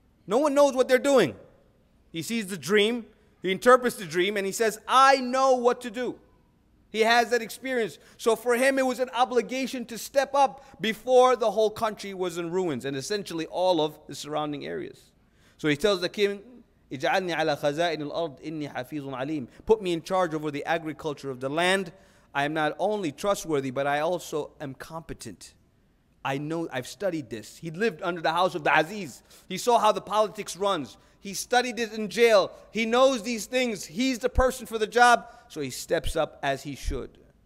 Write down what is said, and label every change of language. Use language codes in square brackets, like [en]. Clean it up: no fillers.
[en] No one knows what they're doing. He sees the dream, he interprets the dream, and he says, I know what to do. He has that experience. So for him, it was an obligation to step up before the whole country was in ruins and essentially all of the surrounding areas. So he tells the king, [ar] اجعلني على خزائن الأرض إني حفيظ عليم. [en] Put me in charge over the agriculture of the land. I am not only trustworthy, but I also am competent. I know, I've studied this. He lived under the house of the Aziz. He saw how the politics runs. He studied it in jail. He knows these things. He's the person for the job. So he steps up as he should.